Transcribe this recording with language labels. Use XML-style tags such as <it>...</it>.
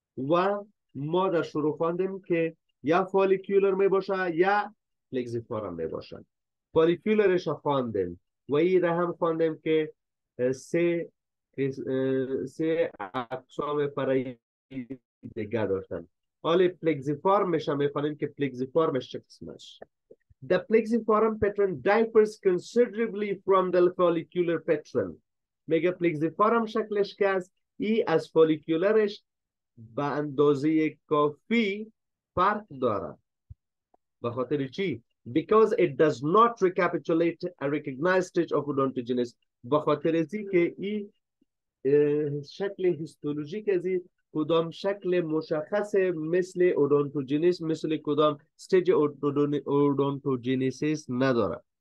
<fa>و ما در شروع خواندیم که یا فالیکیولر می باشه یا پلکسیفارم می باشن. فالیکیولرش رو خواندیم و این را هم خواندیم که سه اقسام فرعی دیگه داشتن. حالا پلکسیفارمش هم می خواندیم که پلکسیفارمش چه قسمش.</fa> <en>The plexiform pattern differs considerably from the follicular pattern.</en> <fa>میگه plexiform شکلش که است ای از follicularش به اندازه کافی فرق داره. بخاطر چی؟</fa> <en>Because it does not recapitulate a recognized stage of odontogenesis.</en> <fa>بخاطر ازی که ای شکل هیستولوژیک ازی کدام شکل مشخص مثل اودونتوجنیس مثل کدام استیج اودونتوجنیسیس نداره.</fa>